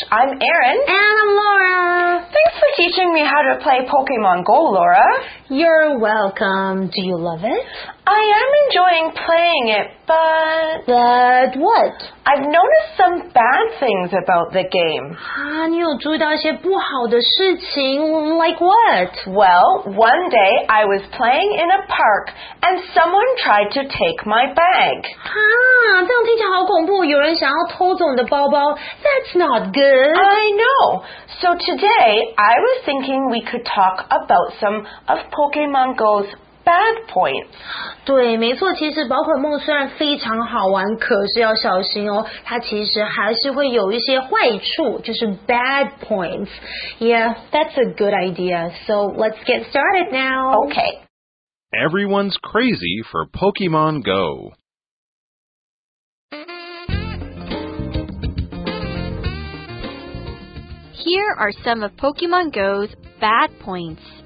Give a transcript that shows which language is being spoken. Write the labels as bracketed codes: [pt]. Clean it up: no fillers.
[en] I'm Erin. And I'm Laura. Thanks for teaching me how to play Pokemon Go, Laura. You're welcome. Do you love it? I am enjoying playing it, but... But what? I've noticed some bad things about the game. [zh] 你有注意到一些不好的事情? [en] Like what? Well, one day I was playing in a park and someone tried to take my bag. [zh] 这样听起来好恐怖,有人想要偷走你的包包。 [en] That's not good. I know. So today, I was thinking we could talk about some of Pokemon Go's bad points. [zh] 对,没错,其实宝可梦虽然非常好玩,可是要小心哦,它其实还是会有一些坏处,就是 [en] bad points. Yeah, that's a good idea. So let's get started now. Okay. Everyone's crazy for Pokemon Go. Here are some of Pokemon Go's bad points.